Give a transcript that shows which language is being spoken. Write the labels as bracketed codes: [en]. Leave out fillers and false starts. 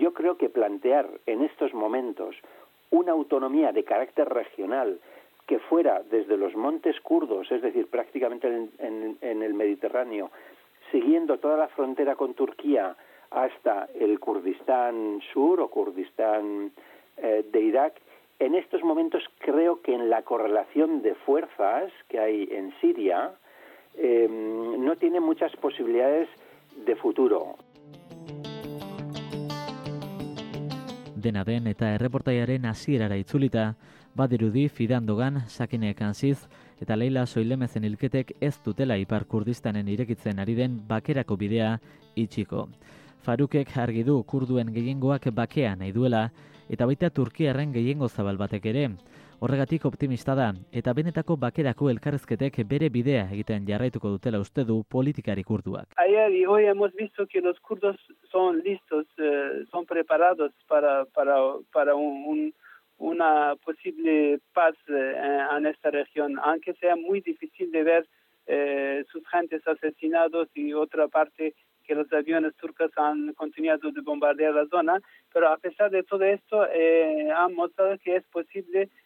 [es] Yo creo que plantear en estos momentos una autonomía de carácter regional que fuera desde los montes kurdos, es decir, prácticamente en el Mediterráneo, siguiendo toda la frontera con Turquía hasta el Kurdistán Sur o Kurdistán de Irak, en estos momentos creo que en la correlación de fuerzas que hay en Siria no tiene muchas posibilidades de futuro. [eu] Dena den eta erreportaiaren hasierara itzulita, badirudi Fidan Dogan, Sakine Kansiz eta Leila Soilemezen hilketek ez dutela Ipar Kurdistanen irekitzen ari den bakerako bidea itxiko. Farukek argi du kurduen gehiengoak bakea nahi duela eta baita turkiarren gehiengo zabal batek ere. Horregatik optimista da eta benetako bakerako elkarrezketek bere bidea egiten jarraituko dutela uste du politikari kurduak. [es] Ayer y hoy hemos visto que los kurdos son listos, son preparados para una posible paz en esta región, aunque sea muy difícil de ver sus gentes asesinados y otra parte que los aviones turcos han continuado de bombardear la zona, pero a pesar de todo esto han mostrado que es posible